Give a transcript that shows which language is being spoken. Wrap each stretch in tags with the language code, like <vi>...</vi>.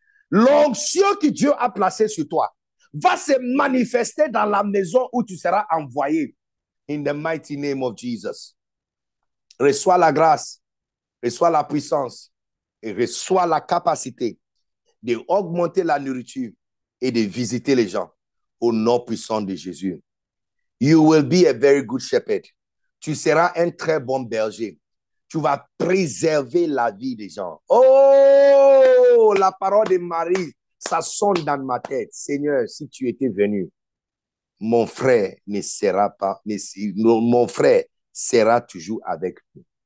<fr>L'onction que Dieu a placée sur toi va se manifester dans la maison où tu seras envoyé.</fr> <en>In the mighty name of Jesus.</en> <fr>Reçois la grâce, reçois la puissance et reçois la capacité d'augmenter la nourriture et de visiter les gens au nom puissant de Jésus.</fr> <en>You will be a very good shepherd.</en> <fr>Tu seras un très bon berger. Tu vas préserver la vie des gens. Oh, la parole de Marie, ça sonne dans ma tête. Seigneur, si tu étais venu, mon frère ne sera pas, mon frère sera toujours avec nous.</fr>